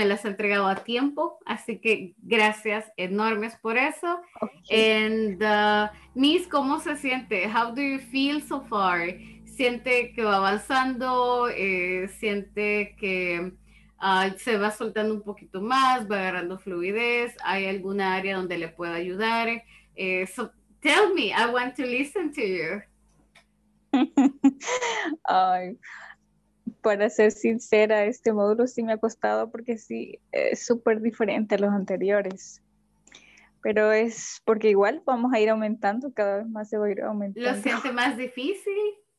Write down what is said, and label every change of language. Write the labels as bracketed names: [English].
[Spanish] Me las he entregado a tiempo. Así que gracias enormes por eso. Okay. [English] And Miss, [Spanish] ¿cómo se siente? [English] How do you feel so far? [Spanish] ¿Siente que va avanzando? ¿Siente que se va soltando un poquito más? ¿Va agarrando fluidez? ¿Hay alguna área donde le pueda ayudar? [English] So, tell me, I want to listen to you. [Spanish] Ay, para ser sincera, este módulo sí me ha costado porque sí es súper diferente a los anteriores. Pero es porque igual vamos a ir aumentando, cada vez más se va a ir aumentando. ¿Lo siente más difícil?